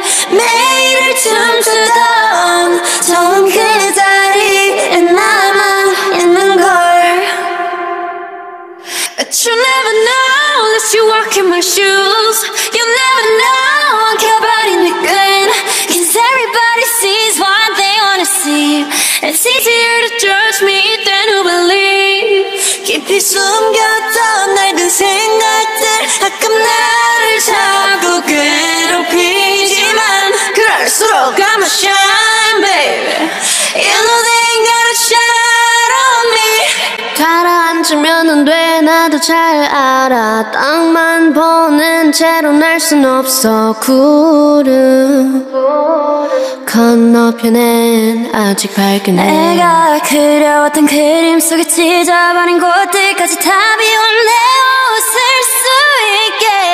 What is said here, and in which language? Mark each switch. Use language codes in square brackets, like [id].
[ko] 매일을 춤추던 처음 그 자리에 남아 있는 걸. [en] But you never know unless you walk in my shoes. You never know, I care about it again. Cause everybody sees what they wanna see. It's easier to judge me than to believe. [ko] 깊이 숨겼던 날든 생각들 가끔 나를 자꾸 괴롭히지만 그럴수록 [en] I'ma shine, baby. You know they ain't gotta shine on me. [ko] 가라앉으면은 돼, 나도 잘 알아. 땅만 보는 채로 날 순 없어. 구름 건너편엔 아직 밝은 해. 내가 그려왔던 그림 속에 찢어버린 곳들까지 다 비워내어 웃을 수 있게.